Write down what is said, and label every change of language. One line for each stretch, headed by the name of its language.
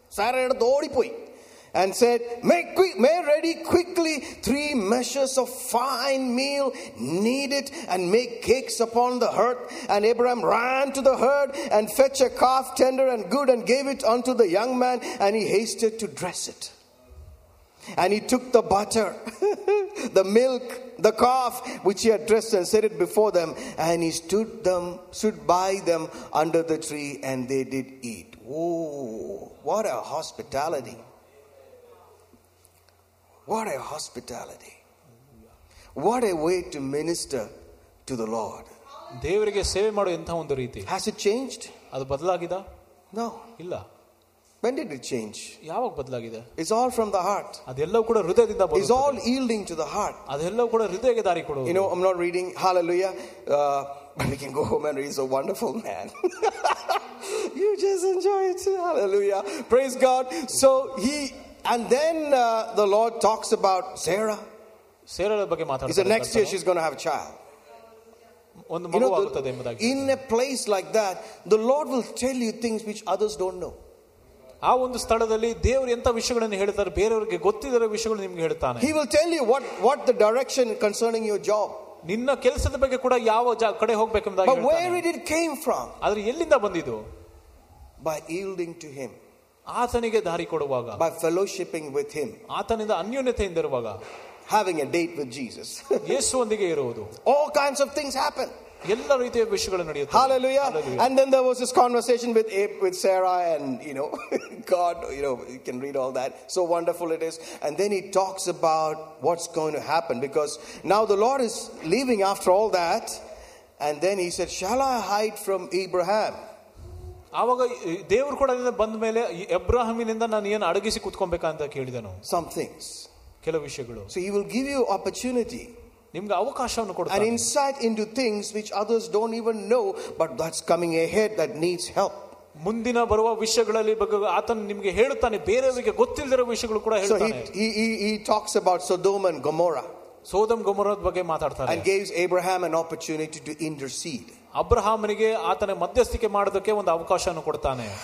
English: ಸಾರಡ ದೋಡಿ ಪೋಯ್ and said make ready quickly 3 measures of fine meal knead it and make cakes upon the heard and Abraham ran to the heard and fetch a calf tender and good and gave it unto the young man and he hasted to dress it and he took the butter the milk the calf which he dressed and set it before them and he stood by them under the tree and they did eat. Oh, what a hospitality. What a way to minister to the Lord.
Kannada: Devarige seve madu entha ondu reethi.
English: Has it changed?
Kannada: Adu badalagida?
English: No.
Kannada: Illa.
English: When did it change?
Kannada: Yavaga badalagide.
English: It's all from the heart.
Kannada: Adella kuda hrudayadinda baruthe.
English: It's all yielding to the heart.
Kannada: Adella kuda hrudayage dari kodu.
English: You know, I'm not reading. Hallelujah. But we can go home and read. He's a wonderful man. You just enjoy it. Hallelujah. Praise God. So he, and then the Lord talks about Sarah.
Kannada: Sarah la bage maatadutaru.
English: Is the next year she's going to have a child.
Kannada: Ondu magu aagutade embadagi.
English: In a place like that, the Lord will tell you things which others don't know.
Kannada: ಆ ಒಂದು ಸ್ಥಳದಲ್ಲಿ ದೇವರು ಎಂತ ವಿಷಯಗಳನ್ನು ಹೇಳ್ತಾರೆ ಬೇರೆಯವರಿಗೆ ಗೊತ್ತಿದ್ದರೆ ವಿಷಯಗಳನ್ನು ನಿಮ್ಗೆ ಹೇಳ್ತಾನೆ.
English: He will tell you what the direction concerning your job.
Kannada: ನಿನ್ನ ಕೆಲಸದ ಬಗ್ಗೆ ಕೂಡ ಯಾವ ಕಡೆ ಹೋಗಬೇಕೆಂಬುದಾಗಿ ಹೇಳ್ತಾನೆ.
English: But where did it came from?
Kannada: ಅದರಿಂದ ಎಲ್ಲಿಂದ ಬಂದಿದು?
English: By yielding to him.
Kannada: ಆತನಿಗೆ ದಾರಿ ಕೊಡುವಾಗ.
English: By fellowshipping with him.
Kannada: ಆತನಿಂದ ಅನ್ಯೋನ್ಯತೆಯಿಂದ ಇರುವಾಗ.
English: Having a date with Jesus.
Kannada: ಯೇಸುವೊಂದಿಗೆ ಇರುವುದು.
English: All kinds of things happen.
Kannada: ಎಲ್ಲ ರೀತಿಯ ವಿಷಯಗಳು ನಡೆಯುತ್ತೆ.
English: Hallelujah. And then there was this conversation with Sarah, and you know, God, you know, you can read all that, so wonderful it is. And then he talks about what's going to happen, because now the Lord is leaving after all that, and then he said, shall I hide from Abraham?
Kannada: ಅವಾಗ ದೇವರು ಕೂಡ ಅಲ್ಲಿಂದ ಬಂದ ಮೇಲೆ ಅಬ್ರಹಾಮಿನಿಂದ ನಾನು ಏನು ಅಡಗಿಸಿ ಕೂತ್ಕೊಬೇಕಾ ಅಂತ ಕೇಳಿದನು.
English: Some things,
Kannada: ಕೆಲವು ವಿಷಯಗಳು.
English: So he will give you opportunity.
Kannada: ನಿಮ್ಗೆ ಅವಕಾಶವನ್ನು ಕೊಡುತ್ತೆ.
English: An insight into things which others don't even know, but that's coming ahead, that needs help.
Kannada: ಮುಂದಿನ ಬರುವ ವಿಷಯಗಳಲ್ಲಿ ಬಗ್ಗೆ ಆತನು ನಿಮಗೆ ಹೇಳುತ್ತಾನೆ, ಬೇರೆಯವರಿಗೆ ಗೊತ್ತಿಲ್ಲದಿರೋ ವಿಷಯಗಳು ಕೂಡ ಹೇಳ್ತಾನೆ.
English: So he talks about Sodom and Gomorrah.
Kannada: ಸೋದಮ್ ಗೊಮೊರದ ಬಗ್ಗೆ ಮಾತಾಡ್ತಾರೆ.
English: And gives Abraham an opportunity to intercede.
Kannada: ಅಬ್ರಹಾಮನಿಗೆ ಆತನ ಮಧ್ಯಸ್ಥಿಕೆ ಮಾಡೋದಕ್ಕೆ ಒಂದು ಅವಕಾಶವನ್ನು ಕೊಡ್ತಾನೆ.